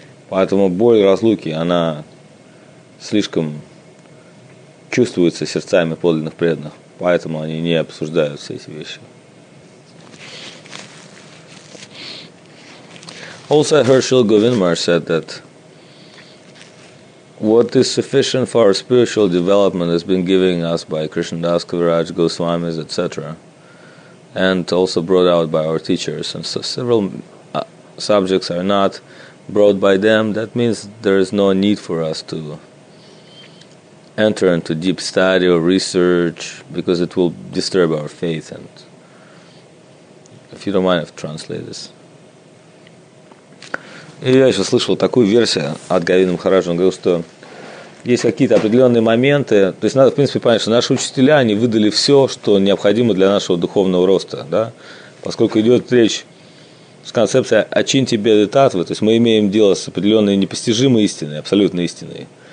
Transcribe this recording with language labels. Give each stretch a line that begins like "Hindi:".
Russian: Поэтому боль разлуки, она слишком чувствуется сердцами подлинных преданных. Поэтому они не обсуждают все эти вещи.
English: Also, I heard Srila Govinda Maharaj said that what is sufficient for our spiritual development has been given us by Krishnadas, Kaviraj, Goswamis, etc. And also brought out by our teachers. And so several subjects are not brought by them. That means there is no need for us to enter into deep study or research because it will disturb our faith. And if you don't mind, I'll translate this.
Russian: И я еще слышал такую версию от Говинды Махараджа. Он говорил, что есть какие-то определенные моменты. То есть надо, в принципе, понять, что наши учителя, они выдали все, что необходимо для нашего духовного роста. Да? Поскольку идет речь с концепцией «Ачинти беды татвы», то есть мы имеем дело с определенной непостижимой истиной, абсолютно истиной.